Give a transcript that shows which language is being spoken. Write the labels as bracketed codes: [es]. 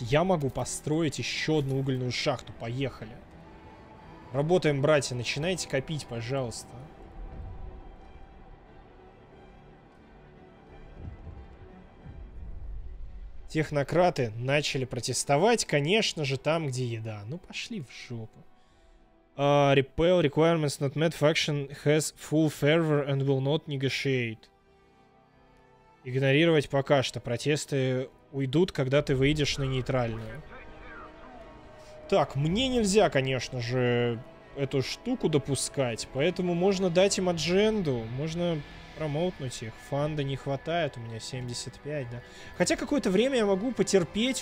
[ru] Я могу построить еще одну угольную шахту. Поехали. Работаем, братья. Начинайте копить, пожалуйста. Технократы начали протестовать, конечно же, там, где еда. Ну, пошли в жопу. [en] Repel requirements not met. Faction has full fervor and will not negotiate. [ru] Игнорировать пока что. Протесты уйдут, когда ты выйдешь на нейтральную. Так, мне нельзя, конечно же, эту штуку допускать. Поэтому можно дать им адженду. Можно промоутнуть их. Фанда не хватает. У меня 75, да. Хотя какое-то время я могу потерпеть.